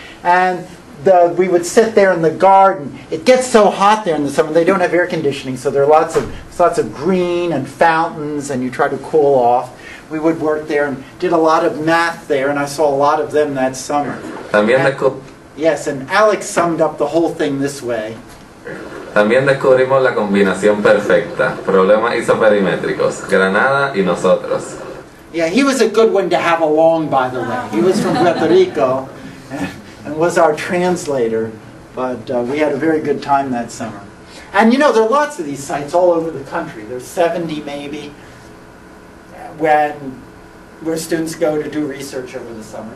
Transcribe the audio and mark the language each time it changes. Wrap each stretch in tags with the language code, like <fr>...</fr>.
<en>And we would sit there in the garden. It gets so hot there in the summer, they don't have air conditioning, so there are lots of green and fountains, and you try to cool off. We would work there and did a lot of math there, and I saw a lot of them that summer. Yes, and Alex summed up the whole thing this way.</en> <es>También descubrimos la combinación perfecta, problemas isoperimétricos, Granada y nosotros.</es> <en>Yeah, he was a good one to have along, by the way. He was from Puerto Rico and was our translator, but we had a very good time that summer. And you know, there are lots of these sites all over the country. There's 70 maybe where students go to do research over the summer.</en>